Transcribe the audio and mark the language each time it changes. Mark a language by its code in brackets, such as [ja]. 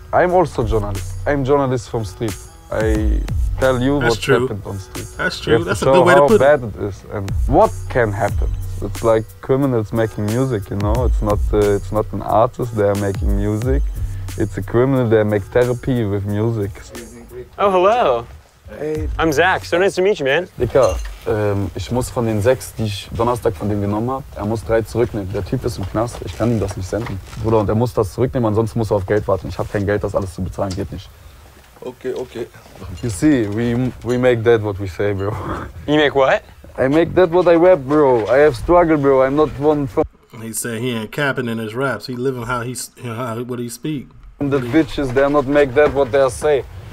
[en] I'm also a journalist. I'm a journalist from street. I tell you that's what true. Happened on street. That's true. You have that's to a good way how to put bad it is and what can happen. It's like criminals making music, you know? It's not an artist they're making music. It's a criminal they make therapy with music. Oh, hello. Hey. I'm Zach. So nice to meet you, man. [de] Dicker, ich muss von den 6, die ich Donnerstag von dem genommen habe, er muss 3 zurücknehmen. Der Typ ist im Knast, ich kann ihm das nicht senden. Bruder, und er muss das zurücknehmen, ansonsten muss er auf Geld warten. Ich habe kein Geld, das alles zu bezahlen, geht nicht. [en] Okay, okay. You see, we make that what we say, bro. You make what? I make that what I rap, bro. I have struggle, bro. I'm not one from... He said he ain't capping in his raps. He living how he, you know, how, what he speak. And the bitches, they're not make that what they say.